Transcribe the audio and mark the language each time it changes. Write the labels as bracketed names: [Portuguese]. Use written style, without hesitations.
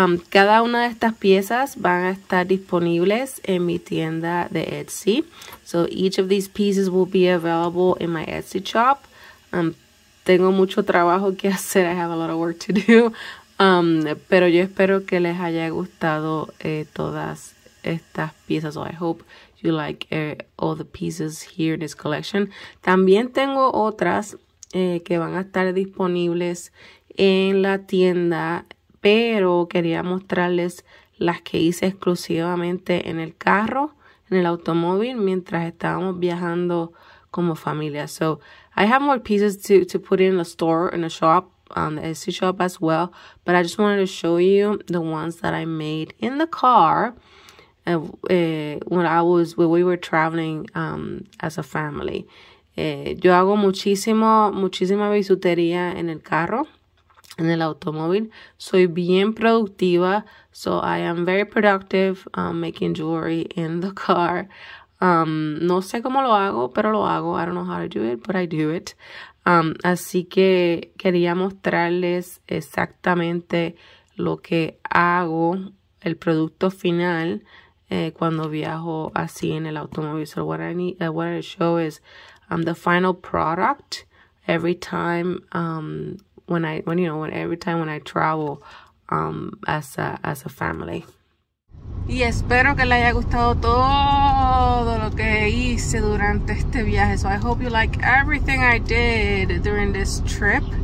[Spanish] Cada una de estas piezas van a estar disponibles en mi tienda de Etsy. [English] So each of these pieces will be available in my Etsy shop. [Spanish] Tengo mucho trabajo que hacer. [English] I have a lot of work to do. [Spanish] Pero yo espero que les haya gustado todas estas piezas. [English] So I hope you like all the pieces here in this collection. [Spanish] También tengo otras que van a estar disponibles en la tienda, pero quería mostrarles las que hice exclusivamente en el carro, en el automóvil, mientras estábamos viajando como familia. [English] So I have more pieces to put in the store, in the shop, on the Etsy shop as well, but I just wanted to show you the ones that I made in the car when we were traveling as a family. [Spanish] Yo hago muchísima bisutería en el carro, en el automóvil. Soy bien productiva, [English] so I am very productive making jewelry in the car. [Spanish] No sé cómo lo hago, pero lo hago. [English] I don't know how to do it, but I do it. [Spanish] Así que quería mostrarles exactamente lo que hago, el producto final, cuando viajo así en el automóvil. [English] So what I show is the final product every time when I travel as a family. [Spanish] Y espero que les haya gustado todo lo que hice durante este viaje. [English] So I hope you like everything I did during this trip.